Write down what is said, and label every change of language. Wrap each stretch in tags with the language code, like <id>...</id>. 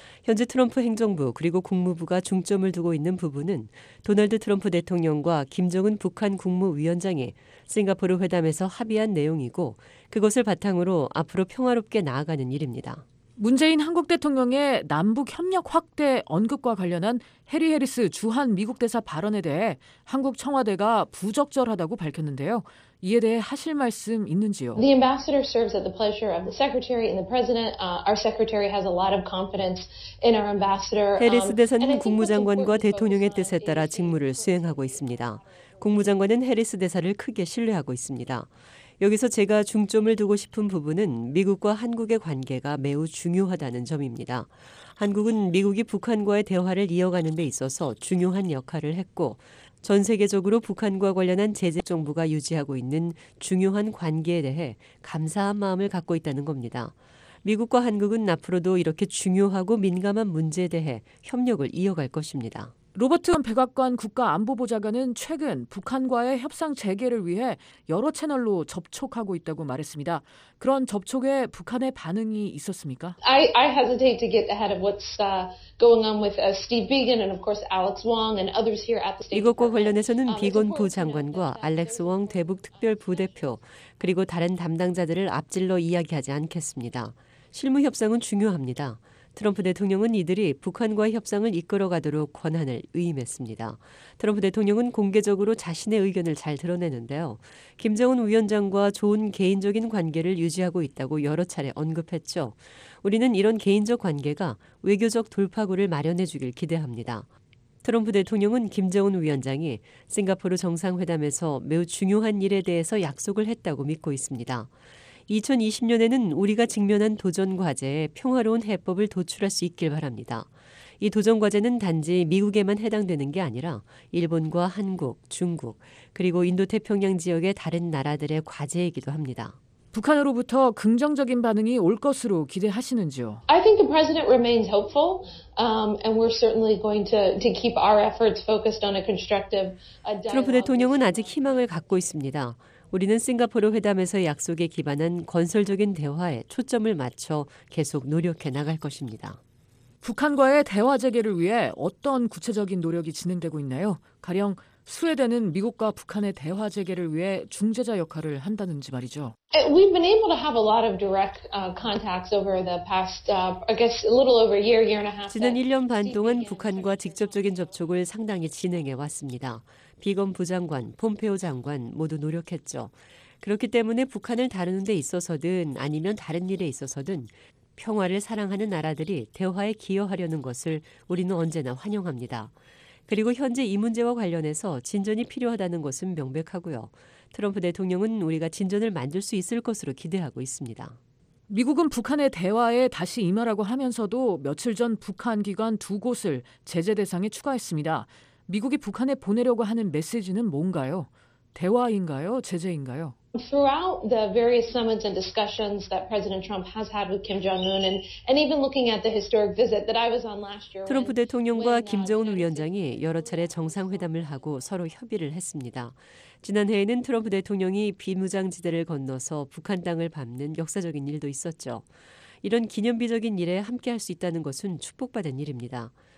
<ko>현재 트럼프 행정부 그리고 국무부가 중점을 두고 있는 부분은 도널드 트럼프 대통령과 김정은 북한 국무위원장이 싱가포르 회담에서 합의한 내용이고 그것을 바탕으로 앞으로 평화롭게 나아가는 일입니다. 문재인 한국 대통령의 남북협력 확대 언급과 관련한 해리 해리스 주한미국 대사 발언에 대해 한국 청와대가 부적절하다고 밝혔는데요. 이에 대해 하실 말씀 있는지요?</ko> <en>The ambassador serves at the pleasure of the secretary and the president. Our secretary has a lot of confidence in our ambassador.</en> <ko>해리스 대사는 국무장관과 대통령의 뜻에 따라 직무를 수행하고 있습니다. 국무장관은 해리스 대사를 크게 신뢰하고 있습니다. 여기서 제가 중점을 두고 싶은 부분은 미국과 한국의 관계가 매우 중요하다는 점입니다. 한국은 미국이 북한과의 대화를 이어가는 데 있어서 중요한 역할을 했고 전 세계적으로 북한과 관련한 제재 정부가 유지하고 있는 중요한 관계에 대해 감사한 마음을 갖고 있다는 겁니다. 미국과 한국은 앞으로도 이렇게 중요하고 민감한 문제에 대해 협력을 이어갈 것입니다. 로버트 백악관 국가안보보좌관은 최근 북한과의 협상 재개를 위해 여러 채널로 접촉하고 있다고 말했습니다. 그런 접촉에 북한의 반응이 있었습니까?</ko> <en>I hesitate to get ahead of what's going on with Steve Biegun and of course Alex Wong and others here at the State.</en> <ko>이것과 관련해서는 비건 부장관과 알렉스 웡 대북 특별 부대표 그리고 다른 담당자들을 앞질러 이야기하지 않겠습니다. 실무 협상은 중요합니다. 트럼프 대통령은 이들이 북한과 협상을 이끌어가도록 권한을 위임했습니다. 트럼프 대통령은 공개적으로 자신의 의견을 잘 드러내는데요. 김정은 위원장과 좋은 개인적인 관계를 유지하고 있다고 여러 차례 언급했죠. 우리는 이런 개인적 관계가 외교적 돌파구를 마련해 주길 기대합니다. 트럼프 대통령은 김정은 위원장이 싱가포르 정상회담에서 매우 중요한 일에 대해서 약속을 했다고 믿고 있습니다. 2020년에는 우리가 직면한 도전 과제에 평화로운 해법을 도출할 수 있길 바랍니다. 이 도전 과제는 단지 미국에만 해당되는 게 아니라 일본과 한국, 중국, 그리고 인도태평양 지역의 다른 나라들의 과제이기도 합니다. 북한으로부터 긍정적인 반응이 올 것으로 기대하시는지요?</ko> <en>I think the president remains hopeful, and we're certainly going to keep our efforts focused on a constructive dialogue.</en> <ko>트럼프 대통령은 아직 희망을 갖고 있습니다. 우리는 싱가포르 회담에서 약속에 기반한 건설적인 대화에 초점을 맞춰 계속 노력해 나갈 것입니다. 북한과의 대화 재개를 위해 어떤 구체적인 노력이 진행되고 있나요? 가령 스웨덴은 미국과 북한의 대화 재개를 위해 중재자 역할을 한다는지 말이죠.</ko> <en>We've been able to have a lot of direct contacts over the past, I guess, a little over a year, year and a half.</en> <ko>지난 1년 반 동안 북한과 직접적인 접촉을 상당히 진행해 왔습니다. 비건 부장관, 폼페오 장관 모두 노력했죠. 그렇기 때문에 북한을 다루는 데 있어서든 아니면 다른 일에 있어서든 평화를 사랑하는 나라들이 대화에 기여하려는 것을 우리는 언제나 환영합니다. 그리고 현재 이 문제와 관련해서 진전이 필요하다는 것은 명백하고요. 트럼프 대통령은 우리가 진전을 만들 수 있을 것으로 기대하고 있습니다. 미국은 북한의 대화에 다시 임하라고 하면서도 며칠 전 북한 기관 두 곳을 제재 대상에 추가했습니다. 미국이 북한에 보내려고 하는 메시지는 뭔가요? 대화인가요? 제재인가요?</ko> <en>Throughout the various summits and discussions that President Trump has had with Kim Jong-un and even looking at the historic visit that I was on last year.</en> <ko>트럼프 대통령과 김정은 위원장이 여러 차례 정상회담을 하고 서로 협의를 했습니다. 지난해에는 트럼프 대통령이 비무장지대를 건너서 북한 땅을 밟는 역사적인 일도 있었죠. 이런 기념비적인 일에 함께할 수 있다는 것은 축복받은 일입니다.</ko>